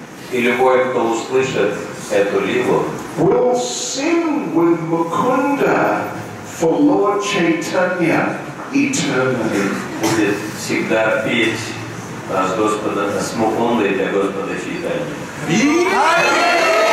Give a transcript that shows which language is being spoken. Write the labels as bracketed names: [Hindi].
[Russian] И любой, кто услышит эту лигу, [English] will sing with Mukunda for Lord Chaitanya eternally. [Russian] Будет всегда петь с Господом, с Мукундой для Господа Чайтанья.